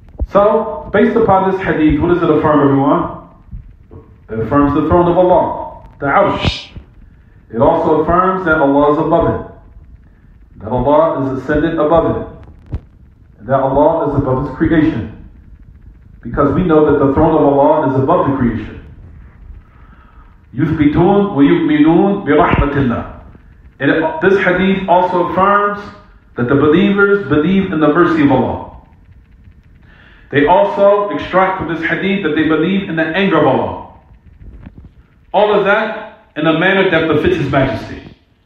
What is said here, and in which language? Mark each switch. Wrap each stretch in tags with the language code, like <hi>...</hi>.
<en>So, based upon this hadith, what does it affirm, everyone? It affirms the throne of Allah, the arsh. It also affirms that Allah is above it, that Allah is ascended above it, and that Allah is above His creation. Because we know that the throne of Allah is above the creation.</en> <ar>يثبتون ويؤمنون برحمة الله.</ar> <en>And this hadith also affirms that the believers believe in the mercy of Allah. They also extract from this hadith that they believe in the anger of Allah. All of that in a manner that befits His Majesty.</en>